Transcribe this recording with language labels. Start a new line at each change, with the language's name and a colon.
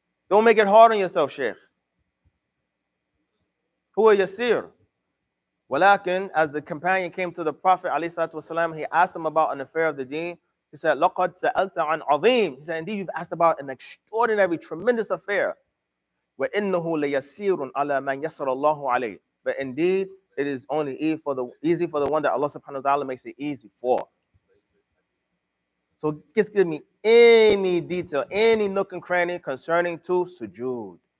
English: Don't make it hard on yourself, Sheikh. Who are yasir? Walakin, as the companion came to the Prophet
Arabic: عليه الصلاة والسلام,
English: he asked him about an affair of the deen. He said,
Arabic: لَقَدْ سَأَلْتَ عَنْ عَظِيمٍ.
English: He said, indeed, you've asked about an extraordinary, tremendous affair.
Arabic: وَإِنَّهُ لَيَسِيرٌ عَلَى مَنْ يَسَرَ اللَّهُ عَلَيْهِ.
English: But indeed, it is only easy for the one that Allah
Arabic: subhanahu wa ta'ala
English: makes it easy for. So just give me any detail, any nook and cranny concerning to sujood.